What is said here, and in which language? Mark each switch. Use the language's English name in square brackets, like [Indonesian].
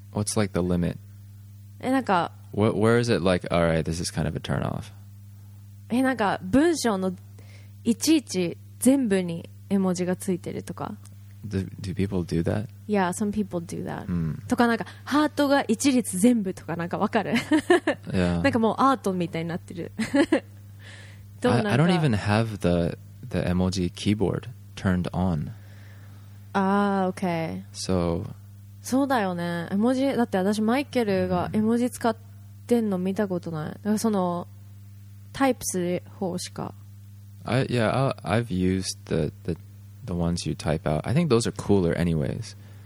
[English] What's like the limit? [Japanese] え、なんか。 [English] Where is it like, all right, this is kind of a turn off? [Japanese] え、なんか文章のいちいち全部に絵文字がついてるとか。 [English] Do people do that? Yeah, some people do that.、うん、 [Japanese] とかなんかハートが一列全部とかなんかわかる。 yeah. なんかもうアートみたいになってる。どうなんか。 [English] I don't even have the emoji keyboard turned on. Ah, okay. So. [Japanese] そうだよね。絵文字だって私マイケルが絵文字使ってんの見たことない。だからそのタイプする方しか。 [English] I've used the ones you type out. I think those are cooler anyways.